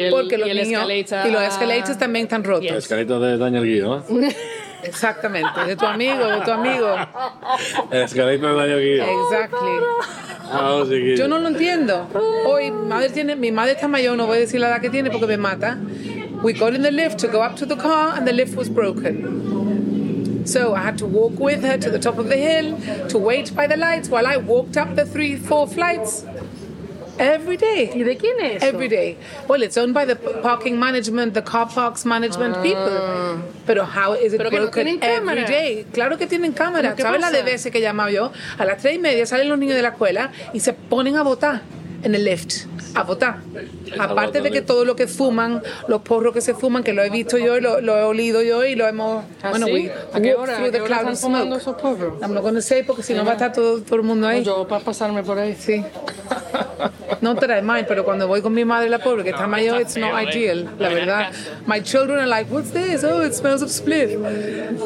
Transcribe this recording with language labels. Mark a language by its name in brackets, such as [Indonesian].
[Spanish] Y los escalators también están rotos. [English] Yes. [Spanish] Escalator de Daniel Guido, ¿no? Exactamente, de tu amigo. El escalator de Daniel Guido. [English] Exactly. [Spanish] Yo no lo entiendo. Hoy madre tiene, mi madre está mayor, no voy a decir la edad que tiene porque me mata. [English] We got in the lift to go up to the car and the lift was broken. So I had to walk with her to the top of the hill to wait by the lights while I walked up the 3-4 flights. Every day. [Spanish] ¿Y de quién es? [English] Every day. Well, it's owned by the parking management, the car parks management people. [Spanish] Pero [English] how is it broken every day? [Spanish] Claro que tienen cámara. ¿Sabes la de veces que he llamado yo? A las 3:30 salen los niños de la escuela y se ponen a votar en el lift. A votar. Aparte de que todo lo que fuman, los porros que se fuman, que lo he visto yo, lo he olido yo y lo hemos... Bueno, [English] we walked through the cloud of smoke. I'm not going to say [Spanish] porque si no va a estar todo el mundo ahí. Yo para pasarme por ahí. Sí. No trae mal, pero cuando voy con mi madre la pobre, que está mayor, [English] it's not ideal, [Spanish] la verdad. [English] My children are like, what's this? Oh, it smells of spliff.